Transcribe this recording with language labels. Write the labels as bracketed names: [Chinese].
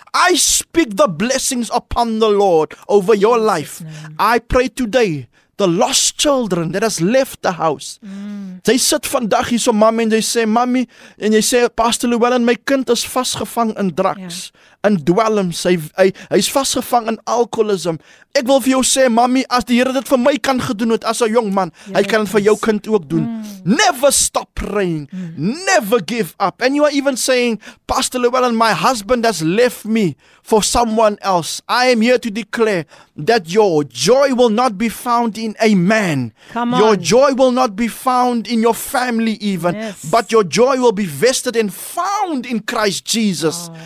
[English] I speak the blessings upon the Lord over your life. I pray today, the lost children that has left the house. They sit [Afrikaans] vandag hier so [English] mommy and they say, mommy, and they say, Pastor Llewellyn, [Afrikaans] my kind is vasgevang [English] in drugs. [Afrikaans] In dwelms, hy is vasgevang in alcoholism. Ek wil vir jou sê, mami, as die Here dit vir my kan gedoen het, as 'n jong man, hy kan dit vir jou kind ook doen. [English] Never stop praying. Never give up. And you are even saying, Pastor Llewellyn, my husband has left me for someone else. I am here to declare that your joy will not be found in a man. Come on. Your joy will not be found in your family even, but your joy will be vested and found in Christ Jesus.